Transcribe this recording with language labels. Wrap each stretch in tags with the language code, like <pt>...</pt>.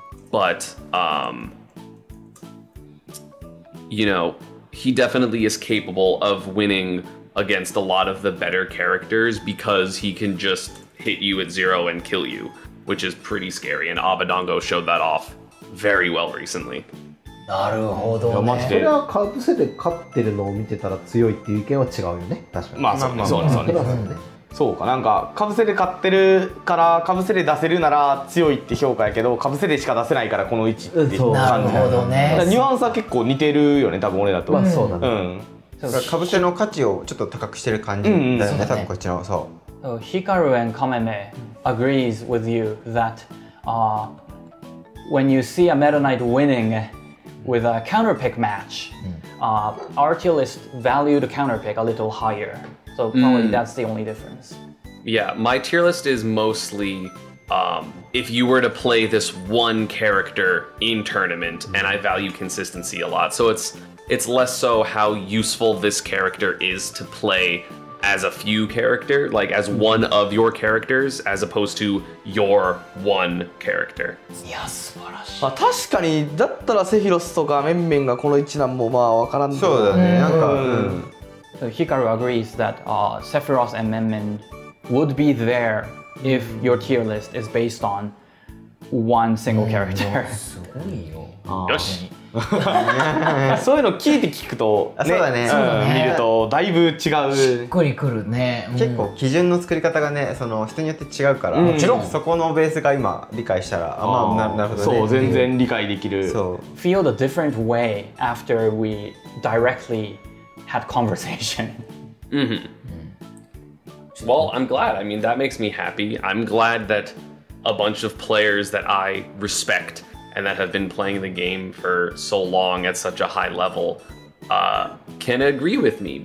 <en>But, you know, he definitely is capable of winning against a lot of the better characters because he can just hit you at zero and kill you, which is pretty scary. And Abadongo showed that off very well recently.</en> <ja>なるほどね。マジでそれはカブセで勝ってるのを見てたら強いっていう意見は違うよね。確かに。まあそうですね。そうか、なんかカブセで勝ってるからカブセで出せるなら強いって評価やけど、カブセでしか出せないからこの位置って感じ。なるほどね。ニュアンスは結構似てるよね、多分俺だと。まあそうだね。うん。だからカブセの価値をちょっと高くしてる感じだよね。多分こっちの。そう。</ja> <en>Hikaru and Kameme agrees with you that when you see a Meta Knight winning. With a counterpick match, Artiolist valued counterpick a little higher. So probably that's the only difference. Yeah, my tier list is mostly if you were to play this one character in tournament, and I value consistency a lot. So it's less so how useful this character is to play as a few character, like as one of your characters, as opposed to your one character.</en> <ja>いや、素晴らしい。まあ、確かに、だったらセフィロスとかメンメンがこの一難もまあ分からんけど。そうだね、なんか。</ja> <en>Hikaru agrees that Sephiroth and Menmen would be there if your tier list is based on one single character.</en> <ja>すごいよ。よし。そういうの聞いて聞くと、ね、そうだね、見るとだいぶ違う、しっくりくるね、結構基準の作り方がね、その人によって違うから、もちろんそこのベースが今理解したら、あ、まあ、なるほどね、そう、全然理解できる、そう、</ja> <en>feel the different way after we directly had conversation. Well, I'm glad. I mean, that makes me happy. I'm glad that a bunch of players that I respectand that have been playing the game for so long at such a high level can agree with me.</en>